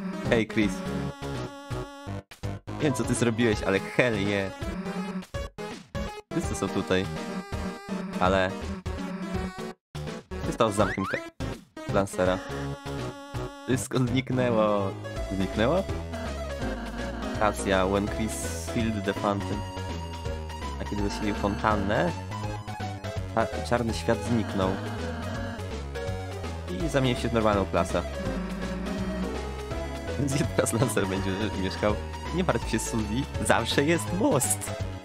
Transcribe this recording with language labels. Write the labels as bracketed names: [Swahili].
[Polish] Hej, Chris. Nie wiem, co ty zrobiłeś, ale [English] hell yeah. [Polish] Wszyscy są tutaj. Ale... został z zamkiem Lancera. Wszystko zniknęło. Zniknęło? [English] Kasia, when Chris filled the fountain. [Polish] A kiedy zasilił fontannę, czarny świat zniknął. I zamienił się w normalną klasę. Więc teraz Lancer będzie mieszkał. Nie martw się, Suzy. Zawsze jest most.